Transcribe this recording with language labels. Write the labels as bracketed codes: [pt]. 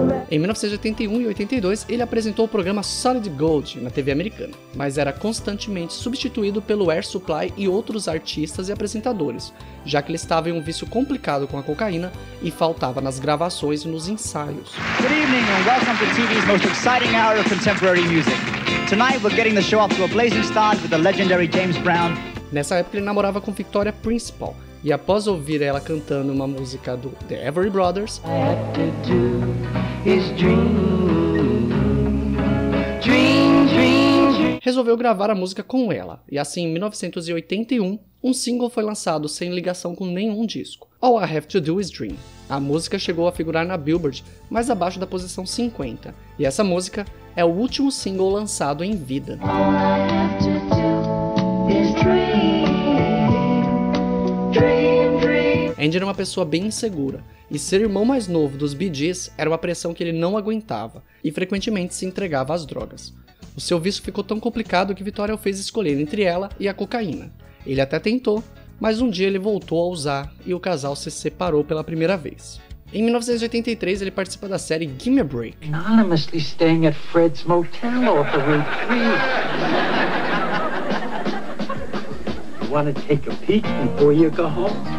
[pt] Em 1981 e 82, ele apresentou o programa Solid Gold na TV americana, mas era constantemente substituído pelo Air Supply e outros artistas e apresentadores, já que ele estava em um vício complicado com a cocaína e faltava nas gravações e nos ensaios. [en] Good evening and welcome to TV's most exciting hour of contemporary music. Tonight we're getting the show off to a blazing start with the legendary James Brown. [pt] Nessa época ele namorava com Victoria Principal, e após ouvir ela cantando uma música do The Everly Brothers, resolveu gravar a música com ela, e assim em 1981, um single foi lançado sem ligação com nenhum disco, All I Have To Do Is Dream. A música chegou a figurar na Billboard, mas abaixo da posição 50, e essa música é o último single lançado em vida. [en] All I have to do is dream. [pt] Andy era uma pessoa bem insegura, e ser irmão mais novo dos Bee Gees era uma pressão que ele não aguentava, e frequentemente se entregava às drogas. O seu vício ficou tão complicado que Victoria o fez escolher entre ela e a cocaína. Ele até tentou, mas um dia ele voltou a usar, e o casal se separou pela primeira vez. Em 1983, ele participa da série Gimme a Break. [en] Anonymously staying at Fred's motel off the road, please. Want to take a peek before you go home?